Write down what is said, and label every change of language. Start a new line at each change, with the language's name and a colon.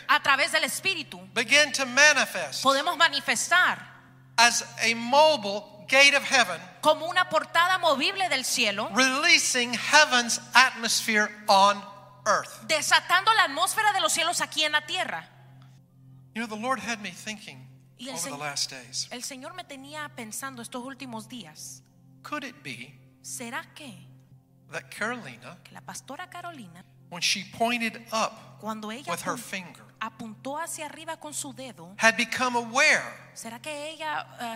Spanish: A través del Espíritu.
English: Begin to manifest.
Spanish: Podemos manifestar.
English: As a mobile gate of heaven.
Spanish: Como una portada movible del cielo.
English: Releasing heaven's atmosphere on earth.
Spanish: Desatando la atmósfera de los cielos aquí en la tierra.
English: You know, the Lord had me thinking over the last days.
Spanish: El Señor me tenía pensando estos últimos días.
English: Could it be?
Spanish: ¿Será que?
English: That Carolina,
Spanish: que la pastora Carolina,
English: when she pointed up,
Spanish: cuando ella
English: with her finger,
Spanish: apuntó hacia arriba con su dedo,
English: had become aware.
Spanish: ¿Será que ella,